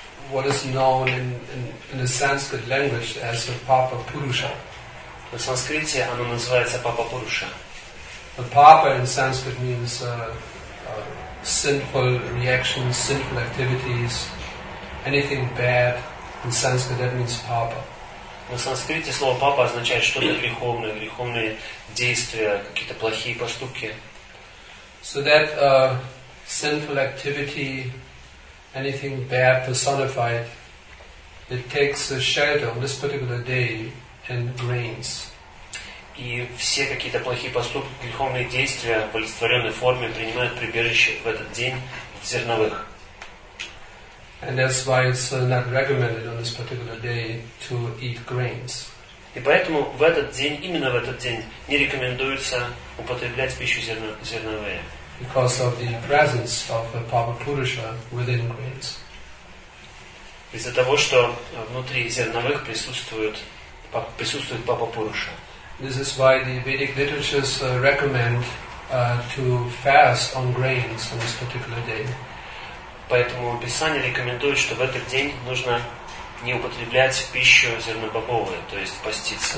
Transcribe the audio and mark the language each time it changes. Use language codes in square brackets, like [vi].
[en] what is known in the Sanskrit language as the Papa Purusha. [ru] На санскрите оно называется Папа Пуруша. [en] The Papa in Sanskrit means sinful reactions, sinful activities, anything bad in Sanskrit, that means Papa. [ru] На санскрите слово Папа означает что-то греховное, греховные действия, какие-то плохие поступки. [en] So that sinful activity, anything bad personified, it takes a shadow on this particular day and grains. [ru] И все какие-то плохие поступки, греховные действия в олицетворенной форме принимают прибежище в этот день в зерновых. [en] And that's why it's not recommended on this particular day to eat grains. [ru] И поэтому в этот день, именно в этот день, не рекомендуется употреблять пищу зерновые. [en] Because of the presence of the Papa Purusha within grains. [ru] Из-за того, что внутри зерновых присутствует Папа Пуруша. [en] This is why the Vedic literatures recommend to fast on grains on this particular day. [ru] Поэтому Писание рекомендует, что в этот день нужно не употреблять пищу зернобобовую, то есть поститься.